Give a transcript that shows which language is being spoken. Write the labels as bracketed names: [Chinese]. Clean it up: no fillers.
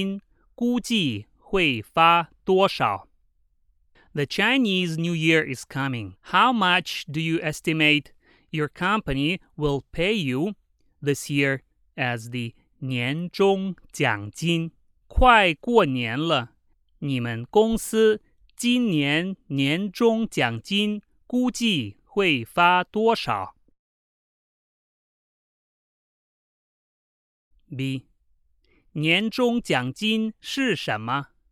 [Chinese] 快过年了,你们公司今年年终奖金估计会发多少? [English] The Chinese New Year is coming. How much do you estimate your company will pay you this year as the 年终奖金? [Chinese] 快过年了,你们公司今年年终奖金估计会发多少? B. 年终奖金是什么?